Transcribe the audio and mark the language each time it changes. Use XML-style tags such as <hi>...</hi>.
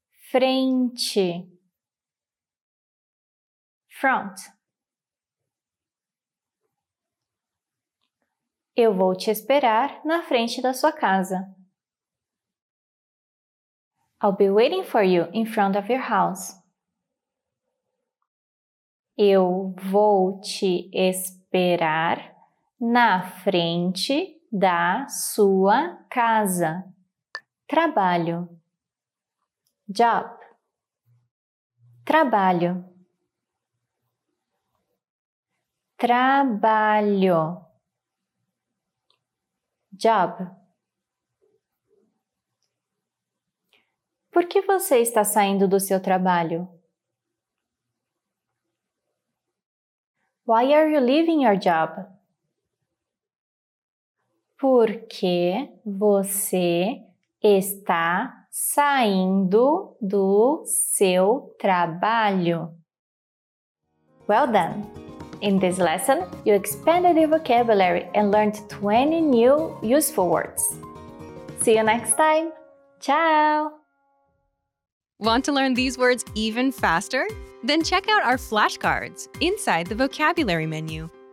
<pt>Frente.</pt> <en>Front.</en> <pt>Eu vou te esperar na frente da sua casa.</pt> <en>I'll be waiting for you in front of your house.</en> <pt>Eu vou te esperar na frente da sua casa. Trabalho.</pt> <en>Job.</en> <pt>Trabalho. Trabalho.</pt> <en>Job.</en> <pt>Por que você está saindo do seu trabalho?</pt> <en>Why are you leaving your job?</en> <pt>Por que você está saindo do seu trabalho?</pt> <en>Well done! In this lesson, you expanded your vocabulary and learned 20 new useful words. See you next time! Ciao! Want to learn these words even faster? Then check out our flashcards inside the vocabulary menu.</en>